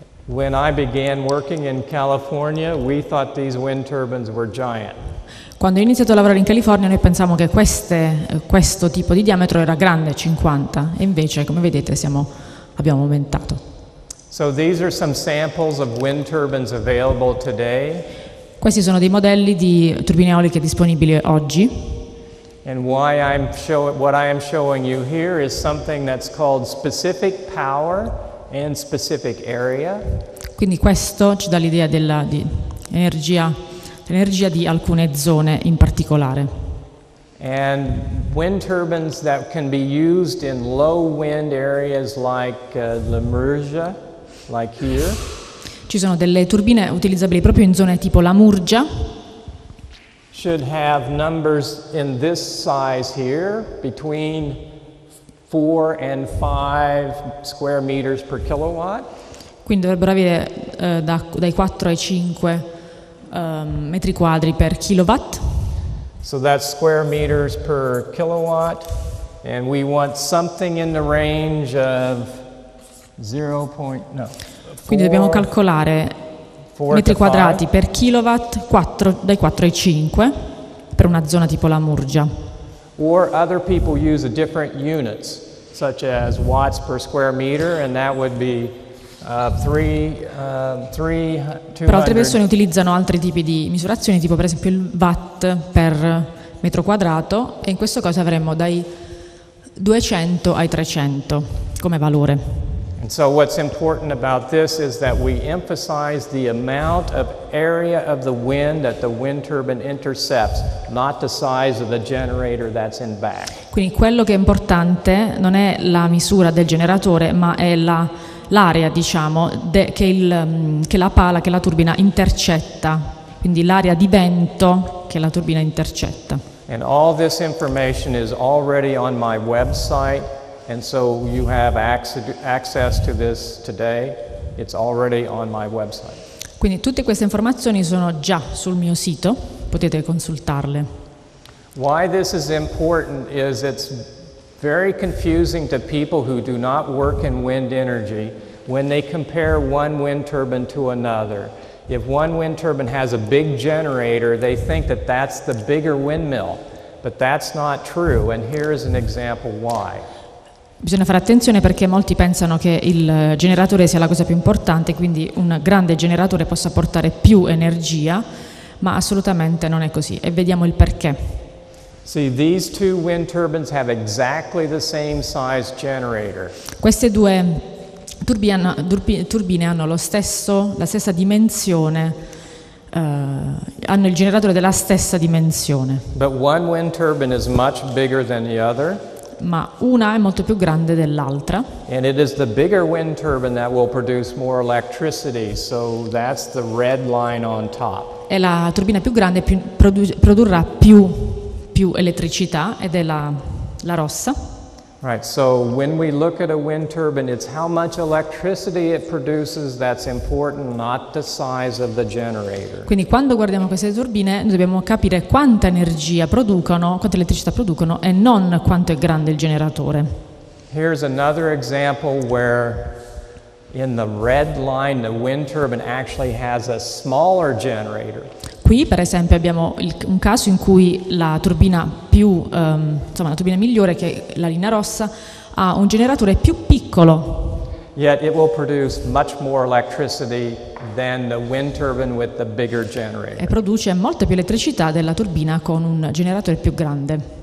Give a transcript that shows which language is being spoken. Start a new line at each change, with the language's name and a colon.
English: When I began working in California, we thought these wind turbines were giant.
Italian: Quando ho iniziato a lavorare in California, noi pensavamo che questo tipo di diametro era grande, 50, e invece, come vedete, abbiamo aumentato.
English: So these are some samples of wind turbines available today.
Italian: Questi sono dei modelli di turbine eoliche disponibili oggi.
English: And why what I am showing you here is something that's called specific power and specific area.
Italian: Quindi questo ci dà l'idea dell'energia di alcune zone in particolare.
English: And wind turbines that can be used in low wind areas like Lamurgia, like here.
Italian: Ci sono delle turbine utilizzabili proprio in zone tipo Lamurgia.
English: Should have numbers in this size here between 4 and 5 square meters per kilowatt.
Italian: Quindi dovrebbero avere dai 4 ai 5 metri quadri per kilowatt.
English: So that's square meters per kilowatt, and we want something in the range of 4,
Italian: quindi dobbiamo calcolare metri quadrati per kilowatt, dai 4 ai 5 per una zona tipo Lamurgia.
English: Or other people use a different units, such as watts per square meter, and that would be 200.
Italian: Per altre persone utilizzano altri tipi di misurazioni, tipo per esempio il watt per metro quadrato, e in questo caso avremmo dai 200 ai 300 come valore.
English: And so what's important about this is that we emphasize the amount of area of the wind that the wind turbine intercepts, not the size of the generator that's in back.
Italian: Quindi quello che è importante non è la misura del generatore, ma è l'area, diciamo, che la turbina intercetta, quindi l'area di vento che la turbina intercetta.
English: And all this information is already on my website. And so you have access to this today. It's already on my website.
Italian: Quindi tutte queste informazioni sono già sul mio sito, potete consultarle.
English: Why this is important is it's very confusing to people who do not work in wind energy when they compare one wind turbine to another. If one wind turbine has a big generator, they think that that's the bigger windmill, but that's not true, and here is an example why.
Italian: Bisogna fare attenzione perché molti pensano che il generatore sia la cosa più importante, quindi un grande generatore possa portare più energia, ma assolutamente non è così, e vediamo il perché.
English: See, these two wind turbines have exactly the same size generator.
Italian: Queste due turbine hanno la stessa dimensione. Hanno il generatore della stessa dimensione.
English: But one wind turbine is much bigger than the other.
Italian: Ma una è molto più grande dell'altra.
English: And it is the bigger wind turbine that will produce more electricity, so that's the red line on top.
Italian: È la turbina più grande produrrà più elettricità, ed è la rossa.
English: Right, so when we look at a wind turbine, it's how much electricity it produces that's important, not the size of the generator.
Italian: Quindi quando guardiamo queste turbine, dobbiamo capire quanta energia producono, quanta elettricità producono, e non quanto è grande il generatore.
English: Here's another example where in the red line the wind turbine actually has a smaller generator.
Italian: Qui, per esempio, abbiamo un caso in cui la turbina più, insomma, la turbina migliore, che è la linea rossa, ha un generatore più piccolo.
English: Yet it will produce much more electricity than the wind turbine with the bigger generator.
Italian: E produce molta più elettricità della turbina con un generatore più grande.